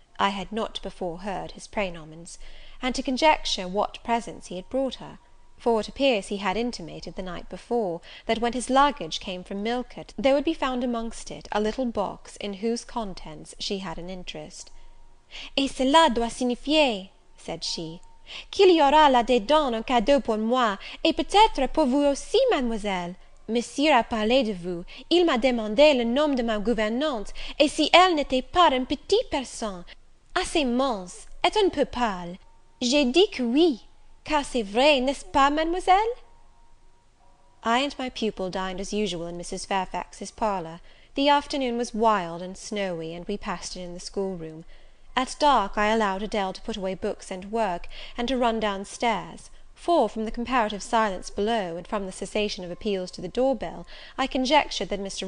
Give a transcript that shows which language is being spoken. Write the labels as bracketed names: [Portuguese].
[English] I had not before heard his praenomens, and to conjecture what presents he had brought her. For it appears he had intimated the night before that when his luggage came from Millcote there would be found amongst it a little box in whose contents she had an interest. [French] Et cela doit signifier, [English] said she, [French] qu'il y aura là-dedans un cadeau pour moi, et peut-être pour vous aussi, mademoiselle. Monsieur a parlé de vous, il m'a demandé le nom de ma gouvernante, et si elle n'était pas un petit person, assez mince, et un peu pâle. J'ai dit que oui, car c'est vrai, n'est-ce pas, mademoiselle? [English] I and my pupil dined as usual in Mrs. Fairfax's parlour. The afternoon was wild and snowy, and we passed it in the schoolroom. At dark I allowed Adèle to put away books and work, and to run downstairs, for from the comparative silence below, and from the cessation of appeals to the doorbell, I conjectured that Mr.